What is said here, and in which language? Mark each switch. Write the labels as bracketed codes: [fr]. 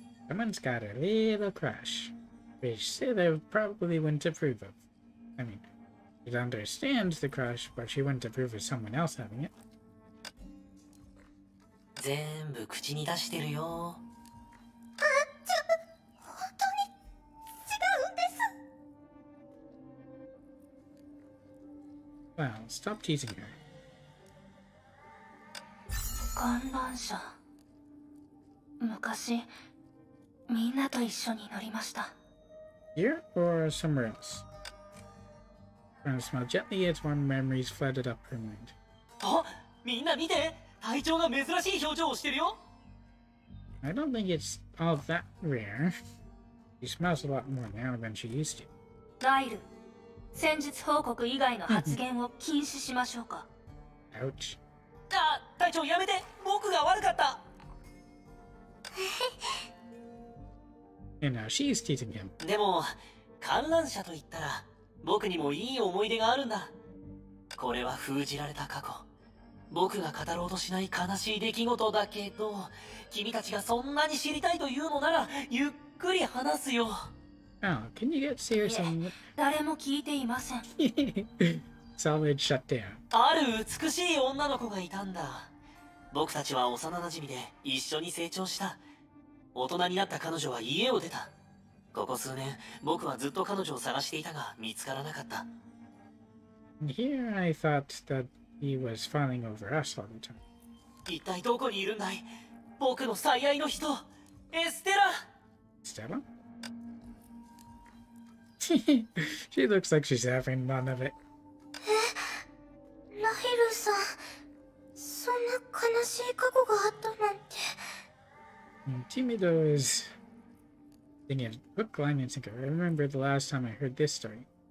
[en] Someone's got a little crush, which they probably wouldn't approve of. I mean, she understands the crush, but she wouldn't approve of someone else having it. [ja] 全部口に出してるよ。あっちゃ、本当に違うんです。 [en] Well, stop teasing her. [ja] 観覧車。昔、みんなと一緒に乗りました。 [en] Here or somewhere else? Trying to smile gently as one memories flooded up her mind. [ja] あ、みんな見て、隊長が珍しい表情をしてるよ。 [en] I don't think it's all that rare. She smiles a lot more now than she used to. [ja] ライル、戦術報告以外の発言を禁止しましょうか。 [en] Ouch. [ja] あ、隊長やめて、僕が悪かった。 [en] And now she's teasing him. [ja] でも、観覧車と言ったら、僕にもいい思い出があるんだ。これは封じられた過去。僕が語ろうとしない悲しい出来事だけど、君たちがそんなに知りたいというのなら、ゆっくり話すよ。 [en] Oh, can you get serious on that? [ja] 誰も聞いていません。 [en] Solid shutdown. [ja] ある美しい女の子がいたんだ。僕たちは幼馴染で一緒に成長した。大人になった彼女は家を出た。ここ数年、僕はずっと彼女を探していたが、見つからなかった。 [en] Here I thought that he was falling over us all the time. [ja] 一体どこにいるんだい？僕の最愛の人、エステラ！ステラ？ [en] She looks like she's having none of it. [ja] ライルさん、そんな悲しい過去があったなんて。 [en] Timido is thinking of hook, line, and sinker. I remember the last time I heard this story.